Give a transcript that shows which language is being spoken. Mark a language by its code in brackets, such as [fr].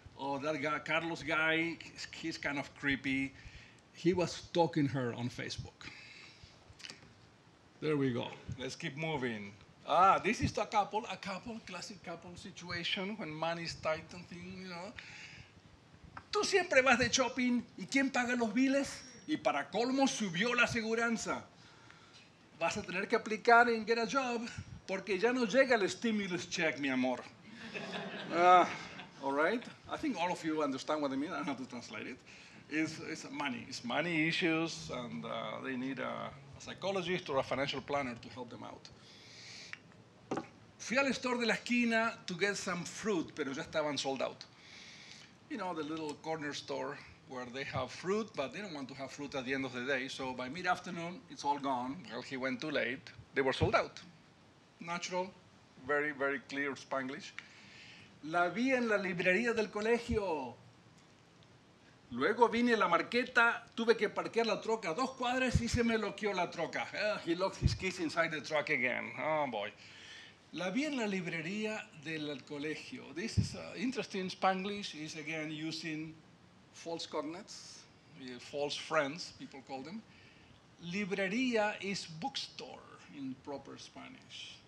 [en] Oh, that guy, Carlos guy, he's kind of creepy. He was stalking her on Facebook. There we go. Let's keep moving. Ah, this is a couple, classic couple situation when man is tight and thing, you know. [es] Tú siempre vas de shopping, ¿y quién paga los biles? Y para colmo subió la aseguranza. Vas a tener que aplicar [en] and get a job, [es] porque ya no llega el stimulus check, mi amor. [en] All right? I think all of you understand what I mean. I don't have to translate it. It's money. It's money issues, and they need a psychologist or a financial planner to help them out. [es] Fui al store de la esquina [en] to get some fruit, [es] pero ya estaban [en] sold out. You know, the little corner store where they have fruit, but they don't want to have fruit at the end of the day. So by mid-afternoon, it's all gone. Well, he went too late. They were sold out. Natural, very, very clear Spanglish. [es] La vi en la librería del colegio. Luego vine a la marqueta, tuve que parquear la troca dos cuadras y se me loqueó la troca. [en] He locked his keys inside the truck again. Oh, boy. [es] La vi en la librería del colegio. [en] This is interesting Spanglish. It's again using false cognates, false friends, people call them. Librería is bookstore in proper Spanish.